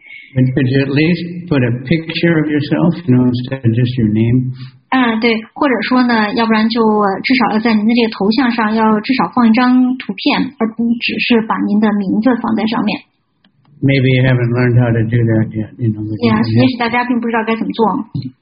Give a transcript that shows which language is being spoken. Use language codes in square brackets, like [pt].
[en] And could you at least put a picture of yourself, you know, instead of just your name? [zh] 对，或者说呢，要不然就至少要在您的这个头像上要至少放一张图片，而不只是把您的名字放在上面。 [en] Maybe you haven't learned how to do that yet. You know. [zh] Yes, 也许大家并不知道该怎么做。